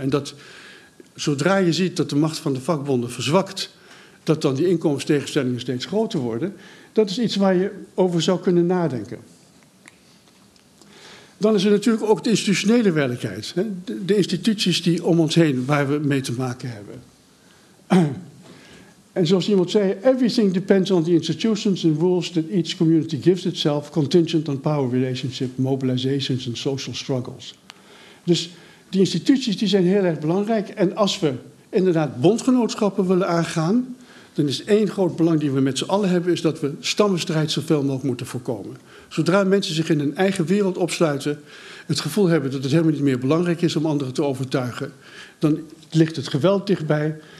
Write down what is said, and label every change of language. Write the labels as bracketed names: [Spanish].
[Dutch] En dat zodra je ziet dat de macht van de vakbonden verzwakt, dat dan die inkomenstegenstellingen steeds groter worden, dat is iets waar je over zou kunnen nadenken. Dan is er natuurlijk ook de institutionele werkelijkheid. De instituties die om ons heen, waar we mee te maken hebben. En zoals iemand zei, [English] everything depends on the institutions and rules that each community gives itself, contingent on power relationship, mobilizations and social struggles. [Dutch] Dus die instituties die zijn heel erg belangrijk. En als we inderdaad bondgenootschappen willen aangaan, dan is één groot belang die we met z'n allen hebben, is dat we stammenstrijd zoveel mogelijk moeten voorkomen. Zodra mensen zich in hun eigen wereld opsluiten, het gevoel hebben dat het helemaal niet meer belangrijk is om anderen te overtuigen, dan ligt het geweld dichtbij.